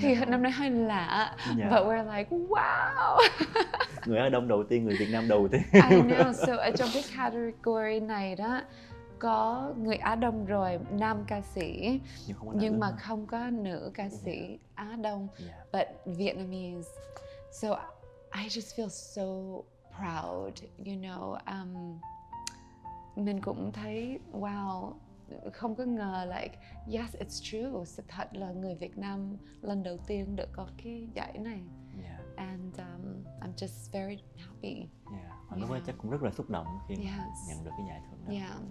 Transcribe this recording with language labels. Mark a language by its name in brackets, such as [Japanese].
[Vietnamese] thì năm nay hơi lạ. [English] But we're like, wow. [Vietnamese] Người Á Đông đầu tiên, người Việt Nam đầu tiên. [English] I know. [Vietnamese] So ở trong cái category này đó có người Á Đông rồi, nam ca sĩ. Nhưng mà không có nữ ca sĩ Á Đông. [English] But Vietnamese. So I just feel so proud, you know. [Vietnamese] Mình cũng thấy wow, không có ngờ, [English] like, yes, it's true, [Vietnamese] sự thật là người Việt Nam lần đầu tiên được có cái giải này. [English] And I'm just very happy. [Vietnamese] Lúc đó chắc cũng rất là xúc động khi nhận được cái giải thưởng đó.